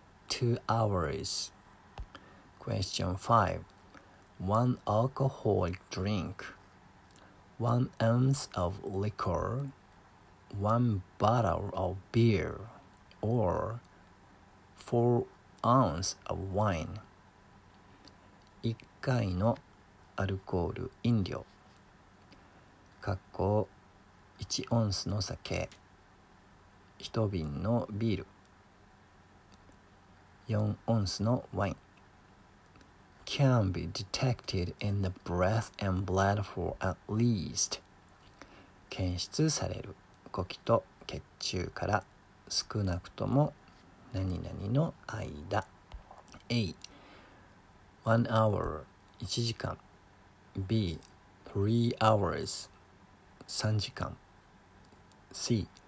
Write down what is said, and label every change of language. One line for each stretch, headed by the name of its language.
English: 2 hours. Question 5. One alcoholic drink, 1 ounce of liquor, one bottle of beer, or 4 ounces of wine.
Japanese: 1回のアルコール飲料かっこ1オンスの酒、1瓶のビール、4オンスのワイン。
English: Can be detected in the breath and blood for at least.
Japanese: 検出される呼気と血中から少なくとも何々の間。
English: A. 1 hour
Japanese: 1時間。
English: B. 3 hours
Japanese: 3時間。
English: C.